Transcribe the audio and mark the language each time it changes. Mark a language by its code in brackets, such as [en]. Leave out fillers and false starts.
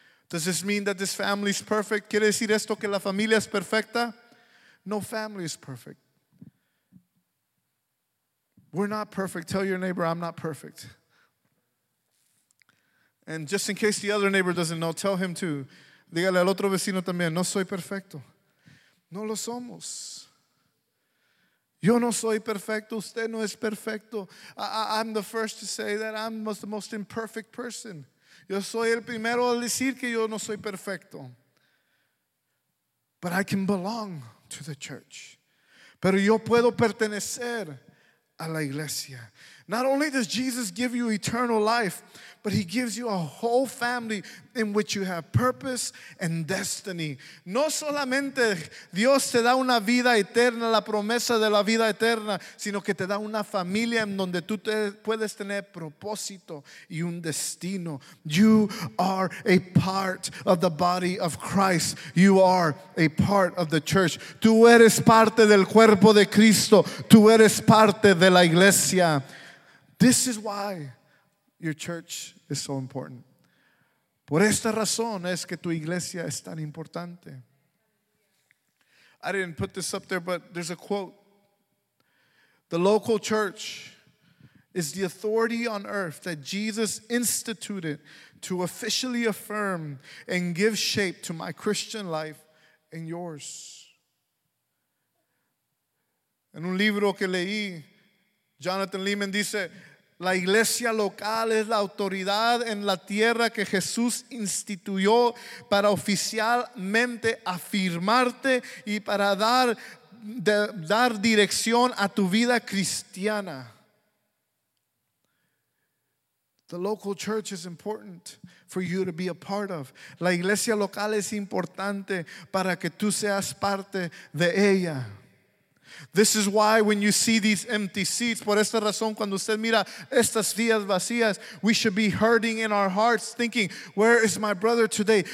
[en] Does this mean that this family is perfect? [es] ¿Quiere decir esto que la familia es perfecta? [en] No family is perfect. We're not perfect. Tell your neighbor, I'm not perfect. And just in case the other neighbor doesn't know, tell him too. [es] Dígale al otro vecino también, no soy perfecto. No lo somos. Yo no soy perfecto, usted no es perfecto. [en] I'm the first to say that I'm the most imperfect person. [es] Yo soy el primero al decir que yo no soy perfecto. [en] But I can belong to the church. [es] Pero yo puedo pertenecer a la iglesia. [en] Not only does Jesus give you eternal life, but he gives you a whole family in which you have purpose and destiny. [es] No solamente Dios te da una vida eterna, la promesa de la vida eterna, sino que te da una familia en donde tú te puedes tener propósito y un destino. [en] You are a part of the body of Christ. You are a part of the church. [es] Tú eres parte del cuerpo de Cristo. Tú eres parte de la iglesia. [en] This is why your church is so important. [es] Por esta razón es que tu iglesia es tan importante. [en] I didn't put this up there, but there's a quote. The local church is the authority on earth that Jesus instituted to officially affirm and give shape to my Christian life and yours. [es] En un libro que leí, Jonathan Lehman dice, la iglesia local es la autoridad en la tierra que Jesús instituyó para oficialmente afirmarte y para dar dirección a tu vida cristiana. [en] The local church is important for you to be a part of. [es] La iglesia local es importante para que tú seas parte de ella. [en] This is why when you see these empty seats, [es] por esta razón cuando usted mira estas sillas vacías, [en] we should be hurting in our hearts thinking, where is my brother today?